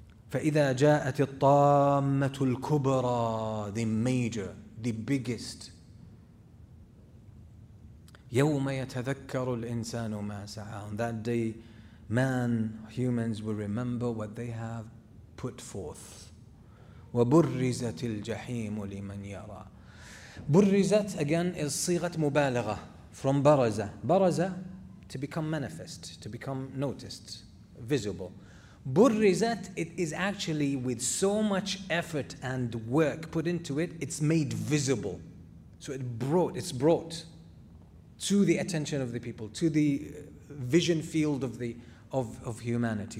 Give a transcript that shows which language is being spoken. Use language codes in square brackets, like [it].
[ar] فَإِذَا جَاءَتِ الطَّامَّةُ الْكُبْرَى. [en] The major, the biggest. [ar] يَوْمَ يَتَذَكَّرُ الْإِنسَانُ مَا سَعَى. [en] On that day, man, humans will remember what they have put forth. [ar] وَبُرِّزَتِ الْجَحِيمُ لِمَنْ يَرَى. بُرِّزَتْ [en] again is [ar] صِيغَةْ مُبَالَغَةْ [en] from [ar] بَرَزَة. [en] بَرَزَة, to become manifest, to become noticed, visible. بُرِّزَتْ, it is actually with so much effort and work put into it, it's made visible. So it's brought to the attention of the people, to the vision field of humanity.